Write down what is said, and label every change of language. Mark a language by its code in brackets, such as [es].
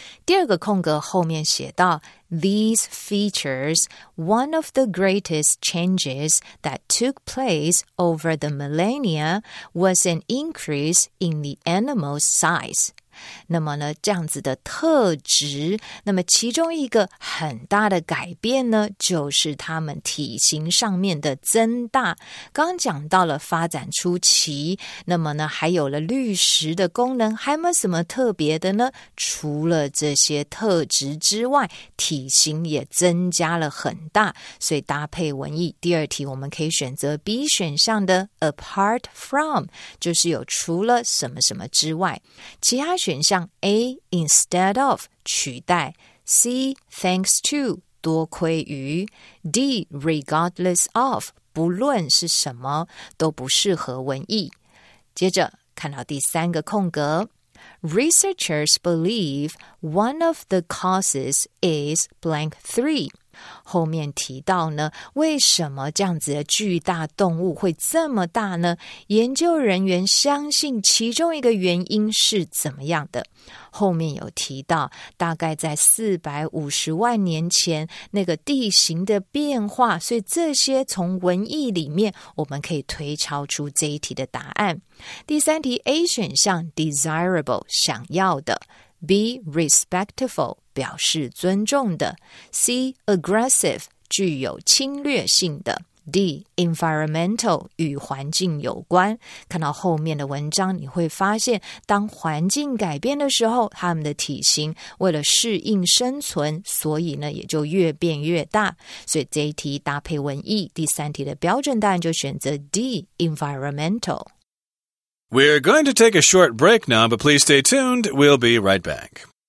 [zh] 第二个空格后面写到 [en] These features one of the greatest changes that took place over the millennia was an increase in the animal's size。 [zh] 那么呢，这样子的特质，那么其中一个很大的改变呢，就是它们体型上面的增大。刚讲到了发展出鳍，那么呢，还有了滤食的功能，还有没有什么特别的呢？除了这些特质之外，体型也增加了很大。所以搭配文意，第二题我们可以选择 B 选项的 apart from, 就是有除了什么什么之外。其他选项 A instead of 取代， C thanks to 多亏于， D regardless of 不论是什么都不适合文意。接着看到第三个空格， [en] researchers believe one of the causes is blank three. [zh] 后面提到呢，为什么这样子的巨大动物会这么大呢？研究人员相信其中一个原因是怎么样的？后面有提到，大概在450万年前，那个地形的变化，所以这些从文艺里面，我们可以推敲出这一题的答案。第三题 A 选项 desirable 想要的 B respectful表示尊重的 C. aggressive 具有侵略性的 D. environmental 与环境有关。看到后面的文章，你会发现当环境改变的时候，它们的体型为了适应生存，所以呢也就越变越大。所以这一题搭配文艺，第三题的标准答案就选择 D. [en] environmental。 We're going to take a short break now, but please stay tuned, we'll be right back.